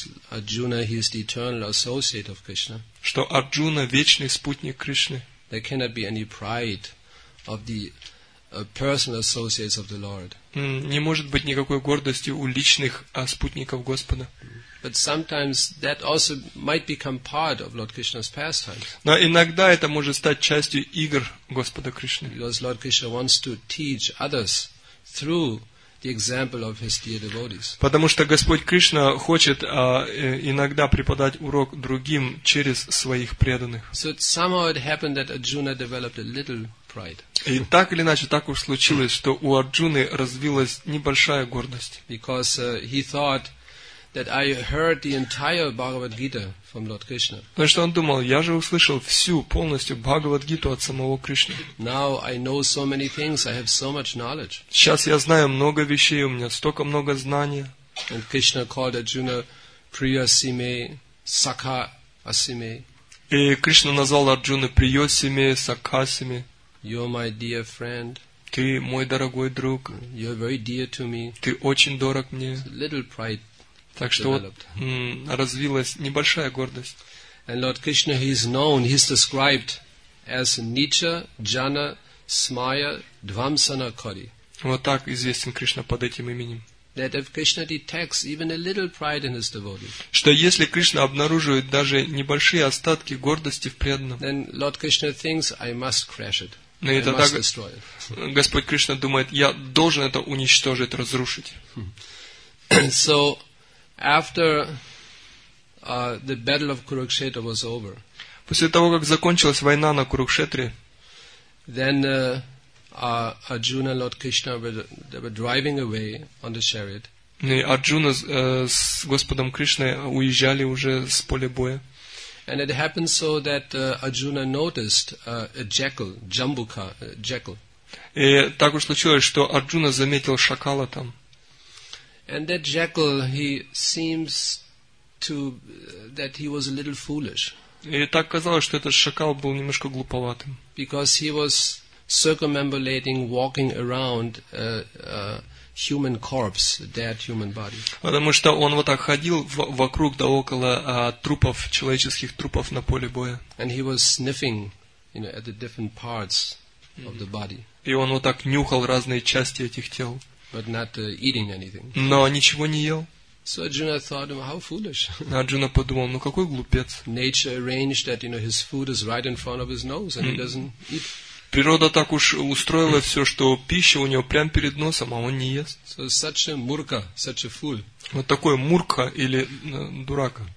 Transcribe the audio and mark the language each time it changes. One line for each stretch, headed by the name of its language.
English: Arjuna, he is the eternal associate of Krishna.
Russian: Что Арджуна – вечный спутник Кришны.
English: There cannot be any pride of the personal associates of the Lord.
Russian: Не может быть никакой гордости у личных спутников Господа.
English: But sometimes that also might become part of Lord Krishna's pastimes.
Russian: Но иногда это может стать частью игр Господа Кришны.
English: Because Lord Krishna wants to teach others through the example of his dear devotees.
Russian: Потому что Господь Кришна хочет иногда преподать урок другим через своих преданных.
English: So somehow it happened that Arjuna developed a little pride.
Russian: И так или иначе так уж случилось, что у Арджуны развилась небольшая гордость.
English: Because he thought that I heard the entire Bhagavad Gita from Lord Krishna.
Russian: Потому что он думал, я же услышал всю полностью Бхагавад Гиту от самого Кришны.
English: Now I know so many things, I have so much knowledge.
Russian: Сейчас я знаю много вещей, у меня столько много знания.
English: And Krishna called Arjuna Priyasime, Sakha Asime.
Russian: И Кришна назвал Арджуну Приясиме, Сакхасиме.
English: You're my dear friend.
Russian: Ты мой дорогой друг.
English: You're very dear to me.
Russian: Ты очень дорог мне.
English: It's a little pride.
Russian: Так что развилась небольшая гордость.
English: And Lord Krishna, he is known, he is described as Nicha, Jana, Smaya, Dvamsana, Kali.
Russian: Вот так известен Кришна под этим именем.
English: That if Krishna detects even a little pride in his devotee.
Russian: Что если Кришна обнаруживает даже небольшие остатки гордости в преданном.
English: Then Lord Krishna thinks, I must crash it.
Russian: Но
English: I must destroy it.
Russian: Господь Кришна думает, я должен это уничтожить, разрушить.
English: So after the battle of Kurukshetra was over.
Russian: После того, как закончилась война на Курукшетре,
English: then Arjuna and Lord Krishna were driving away on the chariot.
Russian: И Арджуна с Господом Кришной уезжали уже с поля боя.
English: And it happened so that Arjuna noticed a jackal, Jambuka, jackal.
Russian: И так уж случилось, что Арджуна заметил шакала там.
English: And that jackal, he seems to that he was a little foolish.
Russian: И так казалось, что этот шакал был немножко глуповатым.
English: Because he was circumambulating, walking around human corpse, dead human body.
Russian: Потому что он вот так ходил вокруг да около трупов, человеческих трупов на поле боя.
English: And he was sniffing, you know, at the different parts mm-hmm. of the body.
Russian: И он вот так нюхал разные части этих тел.
English: But not eating anything.
Russian: Но ничего не ел.
English: So Arjuna thought, how foolish.
Russian: Арджуна подумал, ну какой глупец.
English: Nature arranged that, you know, his food is right in front of his nose and he doesn't eat.
Russian: Природа так уж устроила все, что пища у него прямо перед носом, а он не ест.
English: So such a murka, such a fool.
Russian: Вот такой мурка или дурака.